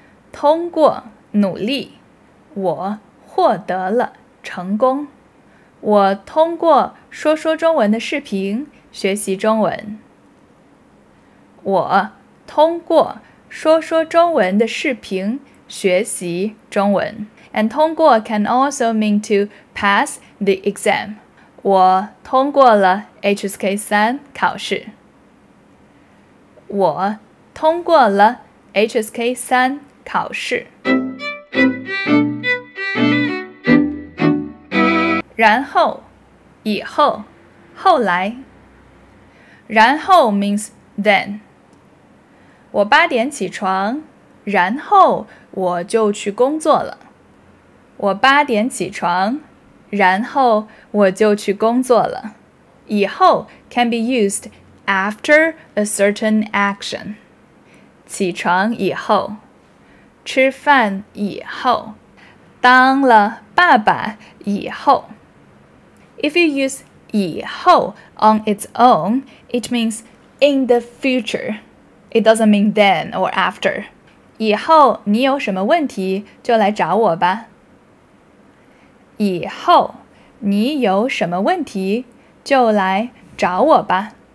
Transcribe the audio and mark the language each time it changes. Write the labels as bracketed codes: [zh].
[zh] 通过努力，我获得了成功。我通过说说中文的视频学习中文。我通过说说中文的视频学习中文。 [en] And 通过 can also mean to pass the exam. [zh] 我通过了 HSK3 考试。我通过了 HSK3 考试。然后以后后来。 [en] 然后 means then. [zh] 我八点起床，然后我就去工作了。我八点起床，然后我就去工作了。 [en] 以后 can be used after a certain action. [zh] 起床以后，吃饭以后，当了爸爸以后。 [en] If you use 以后 on its own, it means in the future. It doesn't mean then or after. [zh] 以后你有什么问题就来找我吧。以后你有什么问题就来找我吧。